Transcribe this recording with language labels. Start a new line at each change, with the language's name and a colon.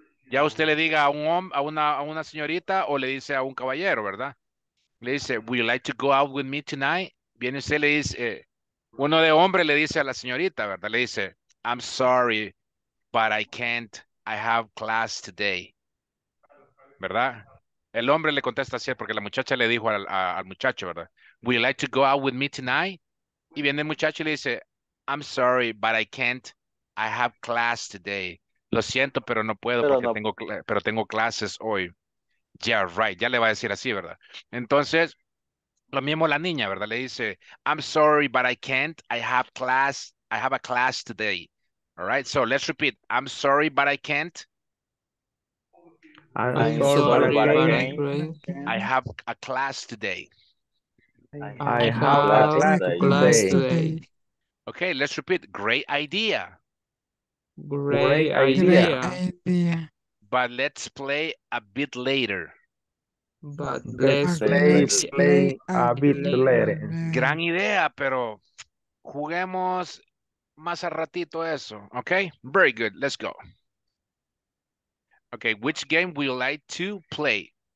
Spanish: Ya usted le diga a un hombre, a una señorita o le dice a un caballero, ¿verdad? Le dice,
English: would you like to go out with me tonight?
Spanish: Viene usted le dice, uno de hombre le dice a la señorita, ¿verdad? Le dice,
English: I'm sorry, but I can't, I have class today.
Spanish: ¿Verdad? El hombre le contesta así porque la muchacha le dijo al muchacho, ¿verdad?
English: Would you like to go out with me tonight?
Spanish: Y viene el muchacho y le dice,
English: I'm sorry, but I can't, I have class today.
Spanish: Lo siento, pero no puedo pero porque no. Tengo clases hoy.
English: Yeah, right.
Spanish: Ya le va a decir así, ¿verdad? Entonces, lo mismo la niña, ¿verdad? Le dice,
English: I'm sorry, but I can't. I have a class today. All right? So, let's repeat. I'm sorry, but I can't. I'm sorry, but I can't. I have a class today. I have a class today. Okay, let's repeat. Great idea. Great idea. But let's play a bit later. But let's play a bit later.
Spanish: Gran idea, pero juguemos más a ratito eso.
English: Okay? Very good. Let's go. Okay, which game would you like to play?